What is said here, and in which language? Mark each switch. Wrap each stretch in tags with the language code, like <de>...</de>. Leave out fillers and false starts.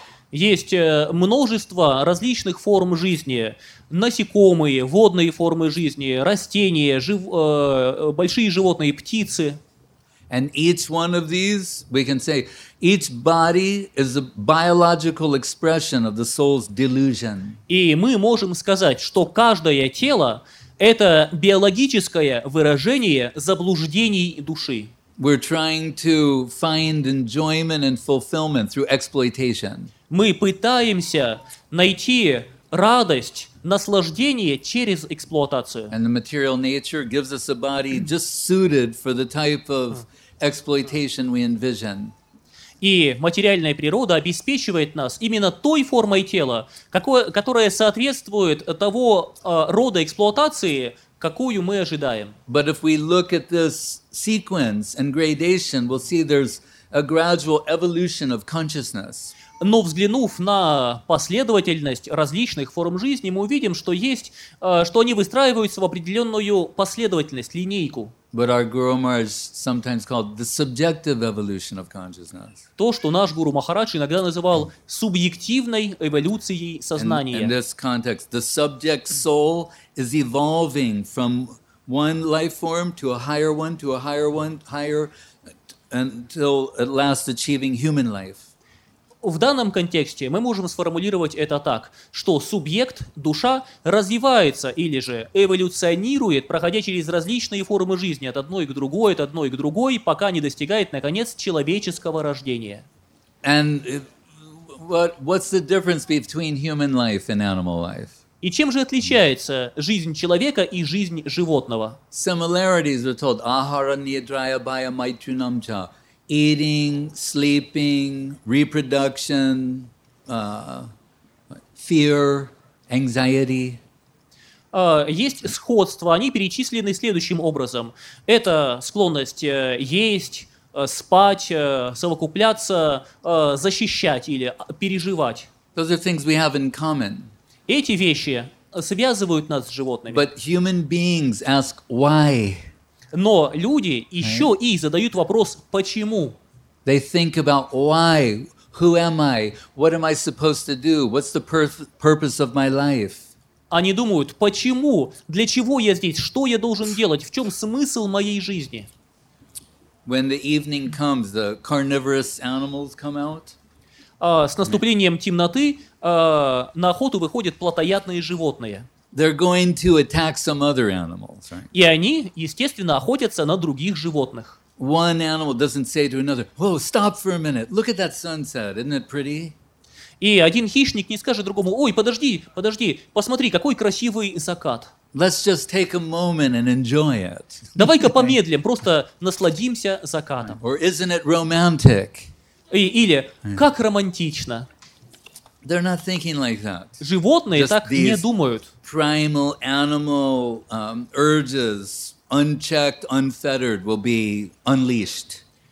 <ru>Есть множество различных форм жизни: насекомые, водные формы жизни, растения, большие животные, птицы.</ru> <en>And each one of these, we can say, each body is a biological expression of the soul's delusion.</en> <ru>И мы можем сказать, что каждое тело — это биологическое выражение заблуждений души.</ru> <en>We're trying to find enjoyment and fulfillment through exploitation.</en> <ru>Мы пытаемся найти радость, наслаждение через эксплуатацию.</ru> <en>And the material nature gives us a body just suited for the type of exploitation we envision.</en> <ru>И материальная природа обеспечивает нас именно той формой тела, которая соответствует того рода эксплуатации, какую мы ожидаем.</ru> <en>But if we look at this sequence and gradation, we'll see there's a gradual evolution of consciousness.</en> <ru>Но взглянув на последовательность различных форм жизни, мы увидим, что есть, что они выстраиваются в определенную последовательность, линейку.</ru> <en>But our Guru Maharaj sometimes called the subjective evolution of consciousness.</en> <ru>То, что наш Гуру Махарадж иногда называл субъективной эволюцией сознания.</ru> <en>And in this context, the subject soul is evolving from one life form to a higher one, higher, until at last achieving human life.</en> <ru>В данном контексте мы можем сформулировать это так, что субъект, душа, развивается или же эволюционирует, проходя через различные формы жизни от одной к другой, от одной к другой, пока не достигает, наконец, человеческого рождения.</ru> <en>And what's the difference between human life and animal life?</en> <ru>И чем же отличается жизнь человека и жизнь животного?</ru> <en>Similarities are told</en> <sa>ahara nidraya baya maitrinam cha.</sa> <en>Eating, sleeping, reproduction, fear, anxiety.</en> <ru>Есть сходства, они перечислены следующим образом. Это склонность есть, спать, совокупляться, защищать или переживать.</ru> <en>Those are things we have in common.</en> <ru>Эти вещи связывают нас с животными.</ru> <en>But human beings ask why.</en> <ru>Но люди еще и задают вопрос «почему?».</ru> <en>They think about why, who am I, what am I supposed to do, what's the purpose of my life.</en> <ru>Они думают «почему?», «для чего я здесь?», «что я должен делать?», «в чем смысл моей жизни?».</ru> <en>When the evening comes, the carnivorous animals come out.</en> <ru>С наступлением темноты на охоту выходят плотоядные животные.</ru> <en>They're going to attack some other animals, right?</en> <ru>И они, естественно, охотятся на других животных.</ru> <en>One animal doesn't say to another, "Whoa, stop for a minute. Look at that sunset. Isn't it pretty?"</en> <ru>И один хищник не скажет другому: "Ой, подожди, подожди, посмотри, какой красивый закат."</ru> <en>Let's just take a moment and enjoy it.</en> <ru>Давай-ка помедлим, просто насладимся закатом.</ru> <en>Or isn't it romantic?</en> <ru>Или как романтично?</ru> <en>They're not thinking like that.</en> <ru>Животные</ru> <en>just</en> <ru>так не думают.</ru> <en>Primal animal urges, unchecked, unfettered, will be unleashed.</en>